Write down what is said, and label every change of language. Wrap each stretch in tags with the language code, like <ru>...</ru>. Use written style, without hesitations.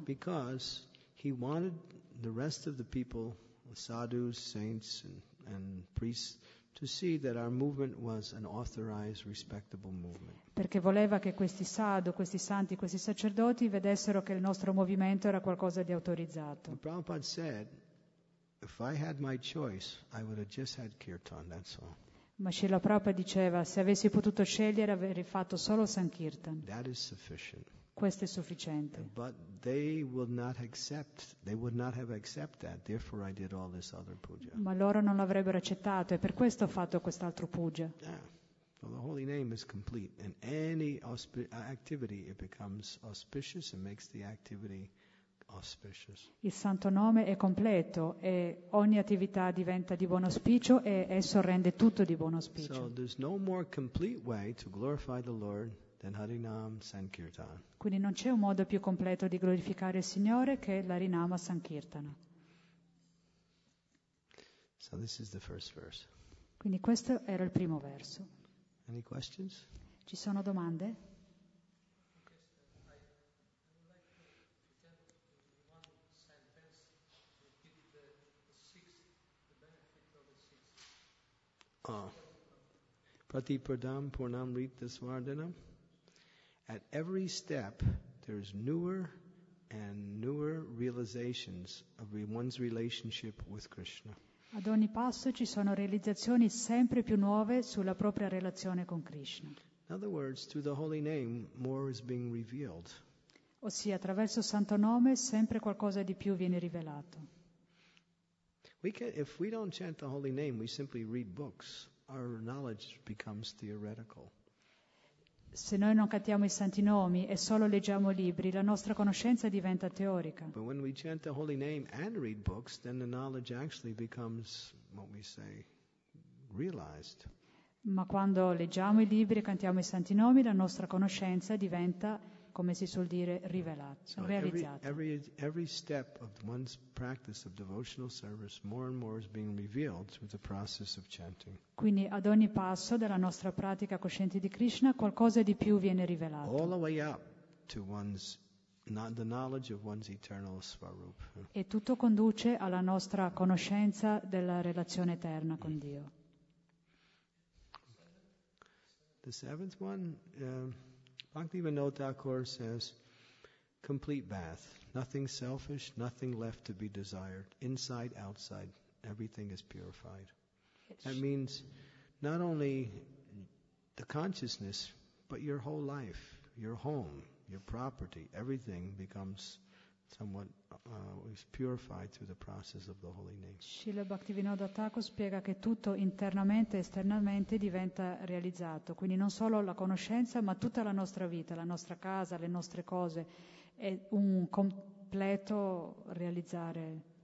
<en>Because he wanted the rest of the people, sadhus, saints and priests, to see that our movement was an authorized, respectable movement.</en> <it>Perché voleva che questi sadhu, questi santi, questi sacerdoti vedessero che il nostro movimento era qualcosa di autorizzato.</it> <en>And Prabhupada said, if I had my choice, I would have just had kirtan, that's all.</en> <it>Ma Srila Prabhupada diceva, se avessi potuto scegliere, avrei fatto solo sankirtan.</it> <en>That is sufficient.</en> <it>Questo è sufficiente.</it> <en>But they will not accept, they would not have accepted that, therefore I did all this other puja.</en> <it>Ma loro non l'avrebbero accettato e per questo ho fatto quest'altro puja.</it> <en>Yeah. So the holy name is complete and any activity it becomes auspicious and makes the activity auspicious.</en> <it>Il santo nome è completo e ogni attività diventa di buon auspicio e esso rende tutto di buon auspicio.</it> <en>So there's no more complete way to glorify the Lord than Harinam Sankirtan.</en> <it>Quindi non c'è un modo più completo di glorificare il Signore che l'Harinama Sankirtana.</it> <en>So this is the first verse.</en> <it>Quindi questo era il primo verso.</it> <en>Any questions?</en> <it>Ci sono domande?</it> <sa>Pratipadam Purnam Rita Swardhanam.</sa> <en>At every step, there is newer and newer realizations of one's relationship with Krishna.</en> <it>Ad ogni passo ci sono realizzazioni sempre più nuove sulla propria relazione con Krishna.</it> <en>In other words, through the holy name, more is being revealed.</en> <it>Ossia, attraverso il santo nome, sempre qualcosa di più viene rivelato.</it> <en>If we don't chant the holy name, we simply read books, our knowledge becomes theoretical.</en> <it>Se noi non cantiamo i santi nomi e solo leggiamo libri, la nostra conoscenza diventa teorica.</it> <en>But when we chant the holy name and read books, then the knowledge actually becomes, what we say, realized.</en> <it>Ma quando leggiamo i libri e cantiamo i santi nomi, la nostra conoscenza diventa come si suol dire, rivelato, so realizzato.</it> <en>Every step of one's practice of devotional service more and more is being revealed through the process of chanting.</en> <it>Quindi ad ogni passo della nostra pratica cosciente di Krishna qualcosa di più viene rivelato.</it> <en>All the way up to one's the knowledge of one's eternal swarup.</en> <it>E tutto conduce alla nostra conoscenza della relazione eterna con Dio.</it> <en>The seventh one, Bhaktivinoda Thakur says, complete bath, nothing selfish, nothing left to be desired, inside, outside, everything is purified. That means not only the consciousness, but your whole life, your home, your property, everything becomes somewhat is purified through the process of the holy name.</en> <it>Srila Bhaktivinoda Thakur spiega che tutto internamente e esternamente diventa realizzato, quindi non solo la conoscenza, ma tutta la nostra vita, la nostra casa, le nostre cose, è un completo realizzare.</it>